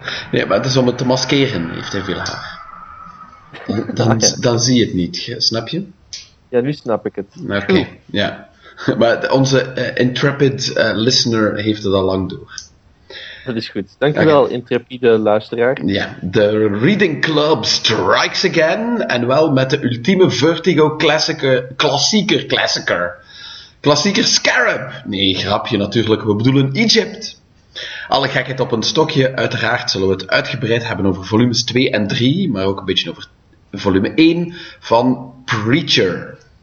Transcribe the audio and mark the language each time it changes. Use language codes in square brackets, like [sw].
[nl] Ja, maar het is om het te maskeren, heeft hij veel haar. Dan zie je het niet, snap je? Ja, nu snap ik het. Oké, okay. Ja. Maar onze [en] intrepid listener [nl] heeft het al lang door. Dat is goed. Dankjewel, okay. Intrepide luisteraar. Ja, yeah. [en] The Reading Club strikes again. [nl] En wel met de ultieme Vertigo klassieker. Klassieker Scarab. Nee, grapje natuurlijk. We bedoelen Egypt. Alle gekheid op een stokje. Uiteraard zullen we het uitgebreid hebben over volumes 2 en 3. Maar ook een beetje over volume 1 van Preacher.